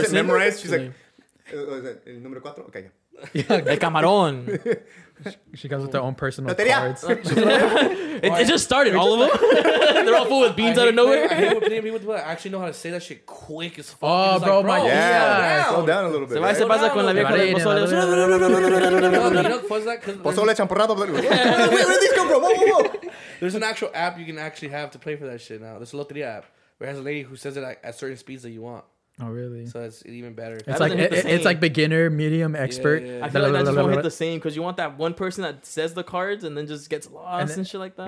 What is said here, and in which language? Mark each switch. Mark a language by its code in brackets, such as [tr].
[en] She hasn't memorized. She's like, [es] el número cuatro? [en] Okay. [es] El camarón. [en] She comes with her own personal Loteria. Cards. it just started, all of them. They're all full with beans out of nowhere. I actually know how to say that shit quick as fuck. Oh, bro, like, my God. Yeah, slow down a little bit. [es] Se va a pasar con la vieja del pozole. [en] Pozole champurrado. Where did these come from? Whoa. There's an actual app you can actually have to play for that shit now. There's a Loteria app where it has a lady who says it at certain speeds that you want. Oh really? So it's even better. It's like beginner, medium, expert. Yeah. I feel like that just won't hit the same because you want that one person that says the cards and then just gets lost and shit like that.